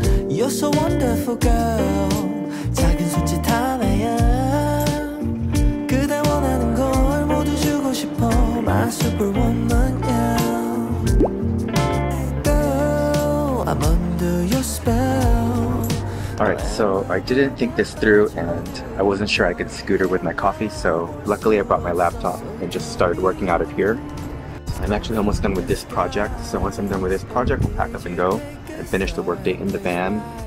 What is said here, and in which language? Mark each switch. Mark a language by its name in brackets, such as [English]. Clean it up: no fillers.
[English] You're so wonderful, girl. [Korean] 작은 손짓 하나야 그대 원하는 걸 모두 주고 싶어. [English] My superwoman, yeah. Girl, I'm under your spell. Alright, so I didn't think this through and I wasn't sure I could scooter with my coffee, so luckily I brought my laptop and just started working out of here. I'm actually almost done with this project, so once I'm done with this project, we'll pack up and go and finish the workday in the van.